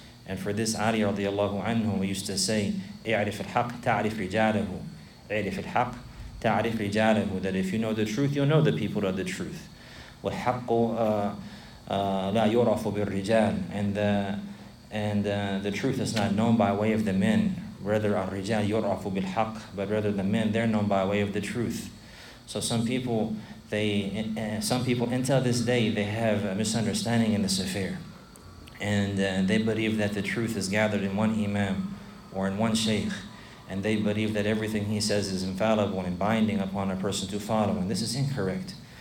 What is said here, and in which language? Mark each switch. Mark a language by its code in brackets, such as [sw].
[en] And for this, Ali radiallahu anhu, we used to say, [ar] اعرف الحق تعرف رجاله. اعرف الحق تعرف رجاله. [en] That if you know the truth, you'll know the people of the truth. [ar] والحق لا يعرف بالرجال. [en] And the truth is not known by way of the men. Rather, [ar] الرجال يعرف بالحق. [en] But rather, the men, they're known by way of the truth. So some people until this day, they have a misunderstanding in this affair. And they believe that the truth is gathered in one imam or in one sheikh, and they believe that everything he says is infallible and binding upon a person to follow, and this is incorrect.